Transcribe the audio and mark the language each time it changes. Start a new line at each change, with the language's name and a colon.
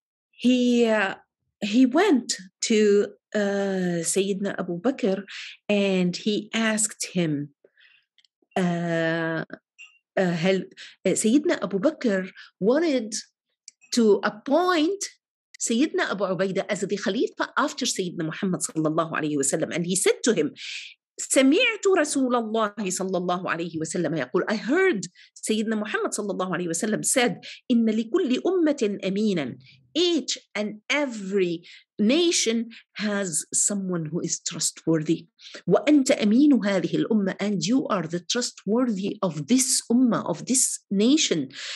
English: He went to Sayyidina Abu Bakr and he asked him, Sayyidina Abu Bakr wanted to appoint Sayyidina Abu Ubaidah as the Khalifa after Sayyidina Muhammad sallallahu alayhi wa sallam. And he said to him,
Arabic: سمعت رسول الله صلى الله عليه وسلم يقول,
English: I heard Sayyidina Muhammad
Arabic: صلى الله عليه وسلم said, إن لكل أمة أمينا.
English: Each and every nation has someone who is trustworthy.
Arabic: وأنت أمين هذه الأمة,
English: and you are the trustworthy of this ummah, of this nation.